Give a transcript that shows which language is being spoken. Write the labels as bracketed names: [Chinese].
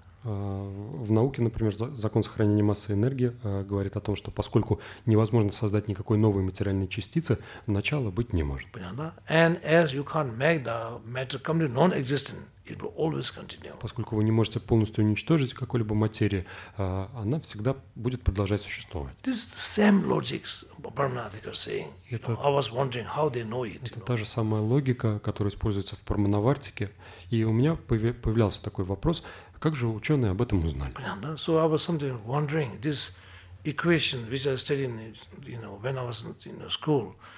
[Russian] В науке, например, закон сохранения массы энергии говорит о том, что поскольку невозможно создать никакой новой материальной частицы, начала быть не может. Понятно, да? [English] And as you can't make the matter completely non-existent, it will always continue. [Russian] Поскольку вы не можете полностью уничтожить какую-либо материю, она всегда будет продолжать существовать. [English] This is the same logic Paramahansa saying. You know, I was wondering how they know it. [Russian] Это та же самая логика, которая используется в Парамановартике. И у меня появлялся такой вопрос: как же ученые об этом узнали? Понятно, да? [English] So I was something wondering this equation which I studied, you know, when I was in school.